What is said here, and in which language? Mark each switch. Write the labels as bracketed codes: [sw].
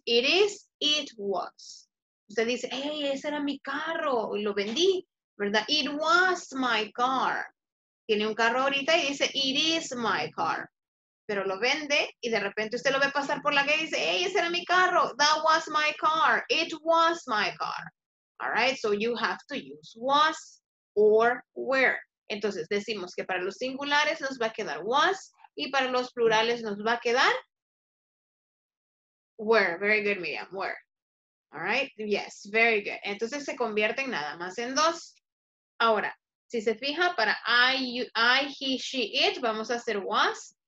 [en] It is, it was. [es] Usted dice, hey, ese era mi carro y lo vendí, ¿verdad? [en] It was my car. [es] Tiene un carro ahorita y dice, [en] it is my car. [es] Pero lo vende y de repente usted lo ve pasar por la calle y dice, hey, ese era mi carro. [en] That was my car. It was my car. All right? So you have to use was or were. [es] Entonces decimos que para los singulares nos va a quedar was y para los plurales nos va a quedar were. [en] Very good, Miriam. Were. All right? Yes. Very good. [es] Entonces se convierten nada más en dos. Ahora, si se fija, para I, he, she, it, vamos a hacer was.